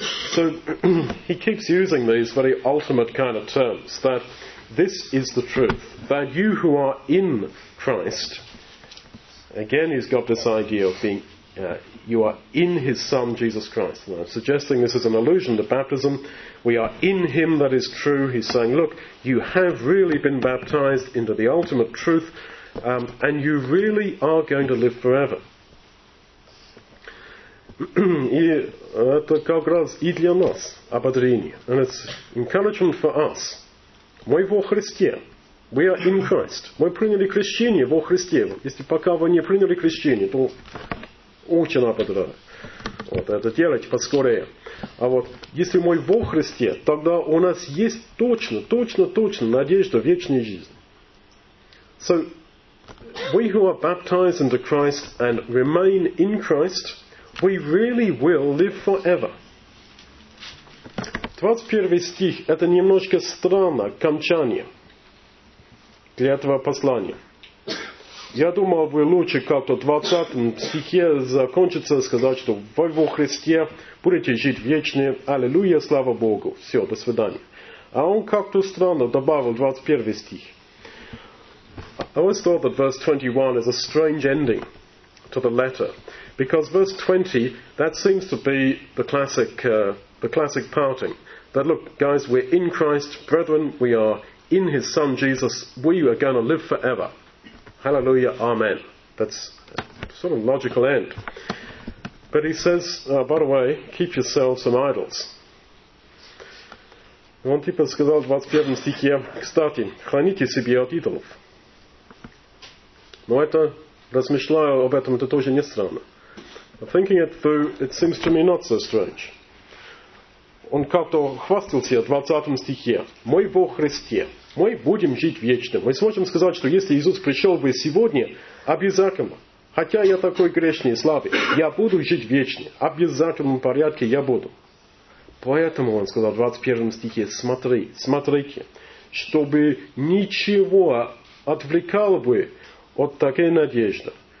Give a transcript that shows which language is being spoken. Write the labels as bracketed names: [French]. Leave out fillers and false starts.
[English] So, he keeps using these very ultimate kind of terms, that this is the truth, that you who are in Christ, again, he's got this idea of being, you are in his Son, Jesus Christ. And I'm suggesting this is an allusion to baptism. We are in him that is true. He's saying, look, you have really been baptized into the ultimate truth, and you really are going to live forever. [Russian] И это как раз и для нас ободрение. [English] And it's encouragement for us. [Russian] Мы во Христе. [English] We are in Christ. [Russian] Мы приняли крещение во Христе. Если пока вы не приняли крещение, то очень ободрено. Вот это делать поскорее. А вот если мы во Христе, тогда у нас есть точно надежда в вечную жизнь. [English] So, we who are baptized into Christ and remain in Christ, we really will live forever. [Russian] 21 стих, это немножко странно, окончание для этого послания. Я думаю, вы лучше как-то в 20 стихе закончится сказать, что вы во Христе будете жить вечно. Аллилуйя, слава Богу. Все, до свидания. А он как-то странно добавил 21 стих. [English] I always thought that verse 21 is a strange ending to the letter. Because verse 20, that seems to be the classic parting. That look, guys, we're in Christ, brethren, we are in his son Jesus, we are going to live forever. Hallelujah, amen. That's sort of a logical end. But he says, by the way, keep yourselves from idols. [Russian] Он типа сказал в 21 стихе, кстати, храните себя от идолов. Но это, размышляя об этом, это тоже не странно. [English] Thinking it through, it seems to me not so strange. [Russian] Он как-то хвастался в 20 стихе. Мы во Христе. Мы будем жить вечно. Мы сможем сказать, что если Иисус пришел бы сегодня, обязательно, хотя я такой грешный и слабый, я буду жить вечно. В обязательном порядке я буду. Поэтому он сказал в 21 стихе, смотрите, чтобы ничего отвлекало бы от такой надежды.